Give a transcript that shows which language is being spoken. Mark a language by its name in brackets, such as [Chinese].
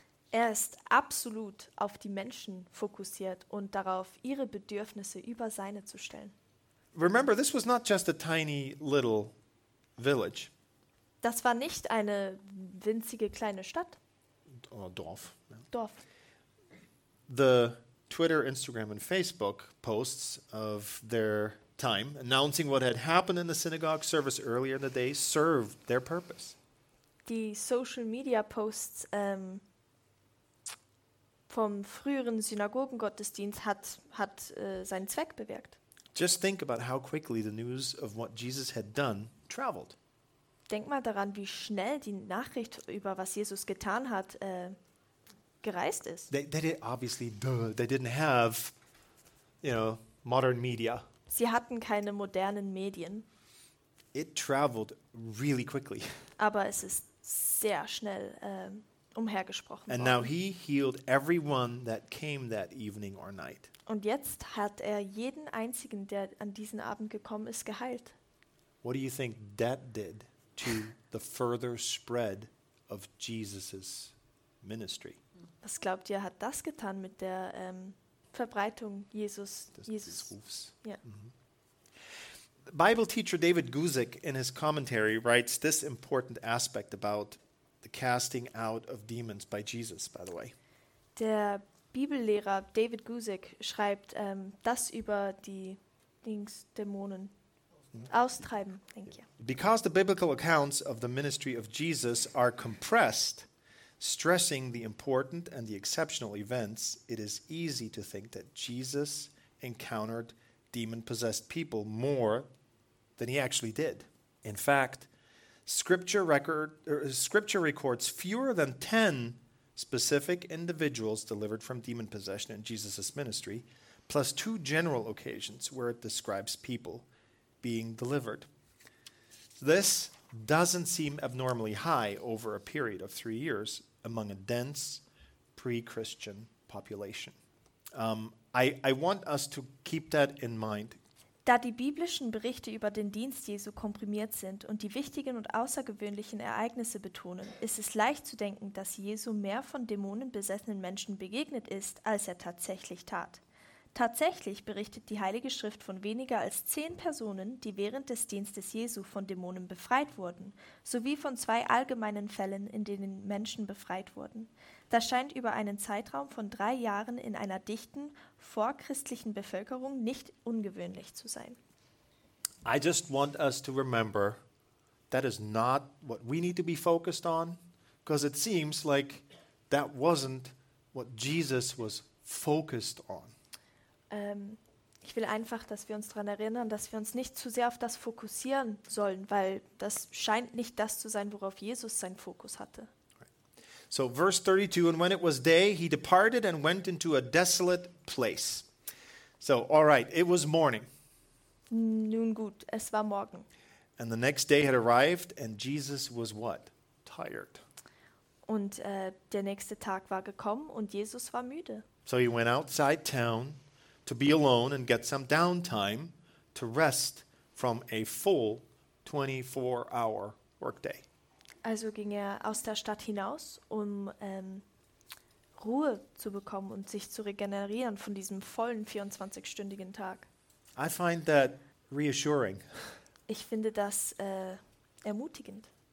[German] Er ist absolut auf die Menschen fokussiert und darauf, ihre Bedürfnisse über seine zu stellen. [English] Remember, this was not just a tiny little village. [German] Das war nicht eine winzige kleine Stadt. Dorf. Dorf. [English] The Twitter, Instagram and Facebook posts of their time announcing what had happened in the synagogue service earlier in the day served their purpose. [German] Die Social Media Posts vom früheren Synagogengottesdienst hat seinen Zweck bewirkt. [English] Just think about how quickly the news of what Jesus had done traveled. [German] Denk mal daran, wie schnell die Nachricht über was Jesus getan hat gereist ist. [English] They didn't have, you know, modern media. [German] Sie hatten keine modernen Medien. [English] It traveled really quickly. [German] Aber es ist sehr schnell umhergesprochen [English] and [German] worden. [English] Now he healed everyone that came that evening or night. [German] Und jetzt hat er jeden einzigen, der an diesen Abend gekommen ist, geheilt. [English] What do you think that did to the further spread of Jesus' ministry? [German] Was glaubt ihr, hat das getan mit der Verbreitung Jesus Rufs? Yeah. Mm-hmm. [English] Bible teacher David Guzik in his commentary writes this important aspect about the casting out of demons by Jesus, by the way. [German] Der Bibellehrer David Guzik schreibt das über die Dings, Dämonen. Mm-hmm. Austreiben, [English] thank you. Because the biblical accounts of the ministry of Jesus are compressed, stressing the important and the exceptional events, it is easy to think that Jesus encountered demon-possessed people more than he actually did. In fact, scripture records fewer than 10 specific individuals delivered from demon possession in Jesus' ministry, plus 2 general occasions where it describes people being delivered. This doesn't seem abnormally high over a period of 3 years, among a dense, pre-Christian population. I want us to keep that in mind. [German] Da die biblischen Berichte über den Dienst Jesu komprimiert sind und die wichtigen und außergewöhnlichen Ereignisse betonen, ist es leicht zu denken, dass Jesu mehr von dämonenbesessenen Menschen begegnet ist, als er tatsächlich tat. Tatsächlich berichtet die Heilige Schrift von weniger als 10 Personen, die während des Dienstes Jesu von Dämonen befreit wurden, sowie von 2 allgemeinen Fällen, in denen Menschen befreit wurden. Das scheint über einen Zeitraum von 3 Jahren in einer dichten, vorchristlichen Bevölkerung nicht ungewöhnlich zu sein. [English] I just want us to remember, that is not what we need to be focused on, because it seems like that wasn't what Jesus was focused on. [German] Ich will einfach, dass wir uns daran erinnern, dass wir uns nicht zu sehr auf das fokussieren sollen, weil das scheint nicht das zu sein, worauf Jesus seinen Fokus hatte. [English] So verse 32, and when it was day, he departed and went into a desolate place. So, all right, it was morning. [German] Nun gut, es war morgen. [English] And the next day had arrived and Jesus was what? Tired. [German] Und der nächste Tag war gekommen und Jesus war müde. [English] So he went outside town to be alone and get some downtime to rest from a full 24-hour workday. [German] Also ging er aus der Stadt hinaus, um Ruhe zu bekommen und sich zu regenerieren von diesem vollen 24-stündigen Tag. [English] I find that reassuring. [German] Ich finde das ermutigend.